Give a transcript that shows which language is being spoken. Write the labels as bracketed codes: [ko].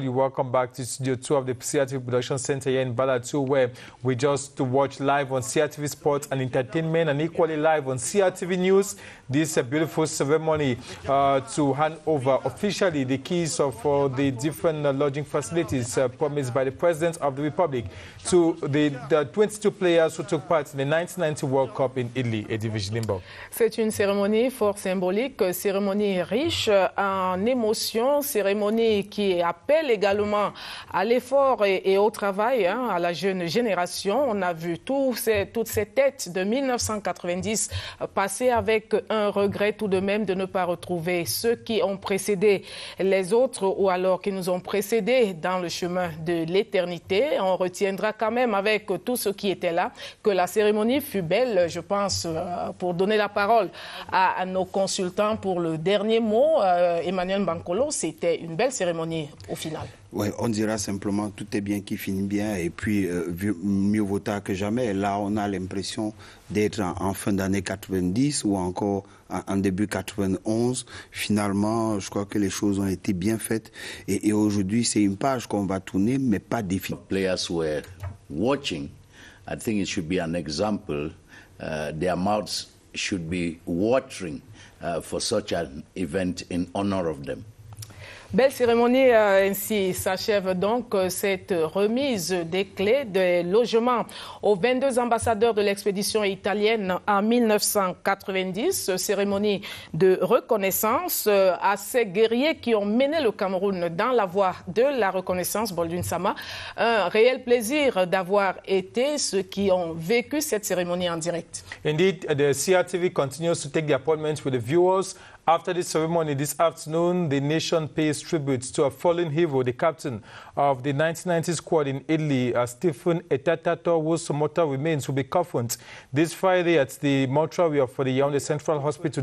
[en] You welcome back to Studio 2 of the CRTV Production Center here in Balatu, where we just to watch live on CRTV Sports and Entertainment and equally live on CRTV News. This is a beautiful ceremony to hand over officially the keys of the different lodging facilities promised by the President of the Republic to the 22 players who took part in the 1990 World Cup in Italy, Edivige Limbaugh. [fr] C'est une cérémonie fort symbolique, cérémonie riche en émotions, cérémonie qui appelle également à l'effort et au travail, hein, à la jeune génération. On a vu toutes ces têtes de 1990 passer avec un regret tout de même de ne pas retrouver ceux qui ont précédé les autres ou alors qui nous ont précédés dans le chemin de l'éternité. On retiendra quand même avec tous ceux qui étaient là que la cérémonie fut belle, je pense, pour donner la parole à nos consultants pour le dernier mot. Emmanuel Bancolo, c'était une belle cérémonie au final. Oui, on dira simplement tout est bien qui finit bien et puis mieux vaut tard que jamais. Là, on a l'impression d'être en fin d'année 90 ou encore en début 91. Finalement, je crois que les choses ont été bien faites et aujourd'hui, c'est une page qu'on va tourner, mais pas définie. [en] The players were watching. I think it should be an example. Their mouths should be watering for such an event in honor of them. [fr] Belle cérémonie, ainsi s'achève donc cette remise des clés des logements aux 22 ambassadeurs de l'expédition italienne en 1990. Cérémonie de reconnaissance à ces guerriers qui ont mené le Cameroun dans la voie de la reconnaissance, Boldun Sama. Un réel plaisir d'avoir été ceux qui ont vécu cette cérémonie en direct. [en] Indeed, the CRTV continues to take the appointments with the viewers. After the ceremony this afternoon, the nation pays tribute to a fallen hero, the captain of the 1990 squad in Italy, Stephen Etatato, whose mortal remains will be coffined this Friday at the mortuary for the Yaoundé Central Hospital.